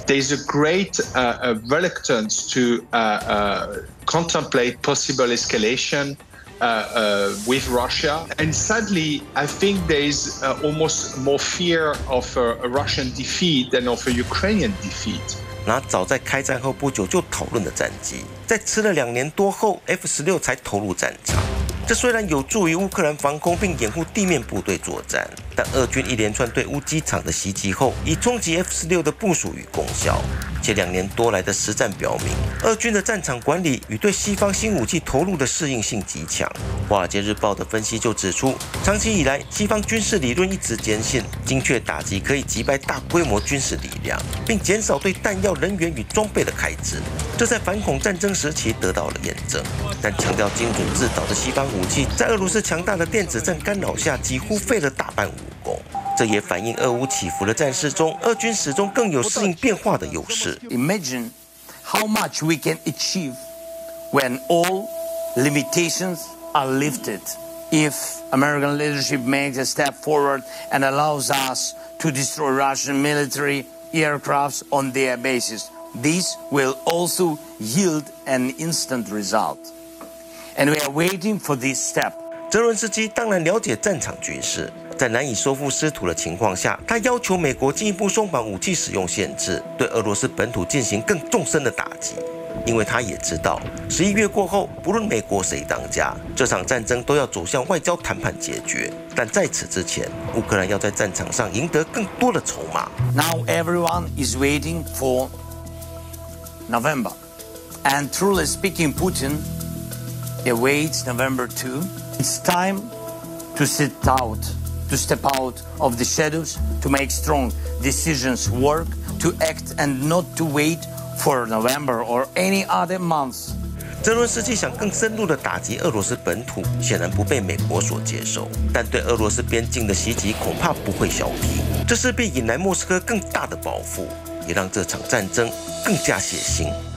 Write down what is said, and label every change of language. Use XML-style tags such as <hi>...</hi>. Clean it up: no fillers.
<en>There's a great reluctance to contemplate possible escalation with Russia, and sadly, I think there's almost more fear of a Russian defeat than of a Ukrainian defeat.</en> <zh>那早在开战后不久就讨论的战机，在吃了2年多后 F-16 才投入战场。这虽然有助于乌克兰防空并掩护地面部队作战，但俄军一连串对乌机场的袭击后已冲击 F-16 的部署与功效，且2年多来的实战表明俄军的战场管理与对西方新武器投入的适应性极强。华尔街日报的分析就指出，长期以来西方军事理论一直坚信精确打击可以击败大规模军事力量并减少对弹药人员与装备的开支，这在反恐战争时期得到了验证，但强调精准制导的西方武器在俄罗斯强大的电子战干扰下几乎废了大半武功。这也反映俄乌起伏的战事中俄军始终更有适应变化的优势。</zh> <en>Imagine how much we can achieve when all limitations are lifted if American leadership makes a step forward and allows us to destroy Russian military aircrafts on their bases. This will also yield an instant result. And we are waiting for this step.</en> <zh>泽伦斯基当然了解战场局势，在难以收复失土的情况下，他要求美国进一步松绑武器使用限制，对俄罗斯本土进行更纵深的打击。因为他也知道，11月过后，不论美国谁当家，这场战争都要走向外交谈判解决。但在此之前，乌克兰要在战场上赢得更多的筹码。</zh> <en>Now everyone is waiting for November, and truly speaking, Putin. It waits November 2. It's time to sit out, to step out of the shadows, to make strong decisions work, to act and not to wait for November or any other month.</en> <zh>泽伦斯基想更深入地打击俄罗斯本土，显然不被美国所接受，但对俄罗斯边境的袭击恐怕不会消停，这势必引来莫斯科更大的报复，也让这场战争更加血腥。</zh>